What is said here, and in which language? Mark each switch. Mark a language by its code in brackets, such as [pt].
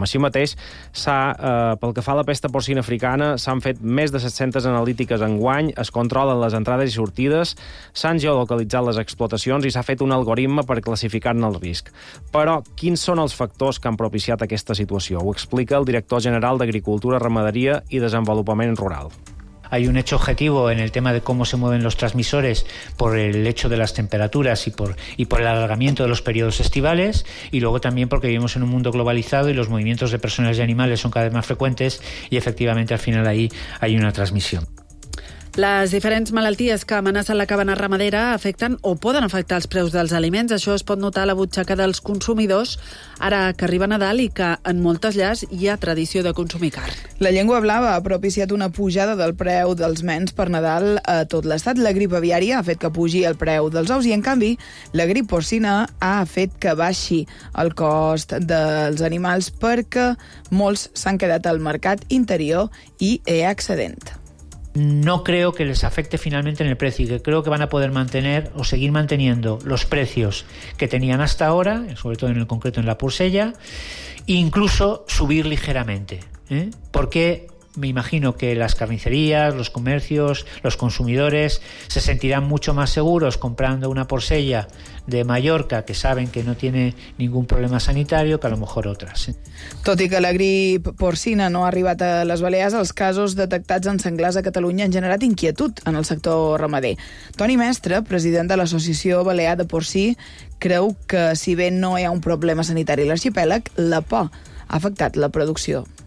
[ca] Així mateix, pel que fa a la pesta porcina africana, s'han fet més de 700 analítiques enguany, es controlen les entrades i sortides, s'han geolocalitzat les explotacions i s'ha fet un algoritme per classificar-ne el risc. Però quins són els factors que han propiciat aquesta situació? Ho explica el director general d'Agricultura, Ramaderia i Desenvolupament Rural. [es] hay un hecho objetivo en el tema de cómo se mueven los transmisores por el hecho de las temperaturas y por el alargamiento de los periodos estivales, y luego también porque vivimos en un mundo globalizado y los movimientos de personas y animales son cada vez más frecuentes, y efectivamente al final ahí hay una transmisión. [ca] Les diferents malalties que amenacen la cabana ramadera afecten o poden afectar els preus dels aliments. Això es pot notar a la butxaca dels consumidors ara que arriba Nadal i que en moltes llars hi ha tradició de consumir carn. La llengua blava ha propiciat una pujada del preu dels mens per Nadal a tot l'estat. La grip aviària ha fet que pugi el preu dels ous i, en canvi, la grip porcina ha fet que baixi el cost dels animals perquè molts s'han quedat al mercat interior i he excedent. [es] No creo que les afecte finalmente en el precio, y que creo que van a poder mantener o seguir manteniendo los precios que tenían hasta ahora, sobre todo en el concreto en la Pursella, e incluso subir ligeramente, ¿eh? Porque me imagino que las carnicerías, los comercios, los consumidores se sentirán mucho más seguros comprando una Pursella de Mallorca, que saben que no tiene ningún problema sanitario, que a lo mejor otras. [ca] Tot i que la grip porcina no ha arribat a les Balears, els casos detectats en senglars a Catalunya han generat inquietud en el sector ramader. Toni Mestre, president de l'Associació Balear de Porcí, creu que, si bé no hi ha un problema sanitari a l'arxipèlag, la por ha afectat la producció.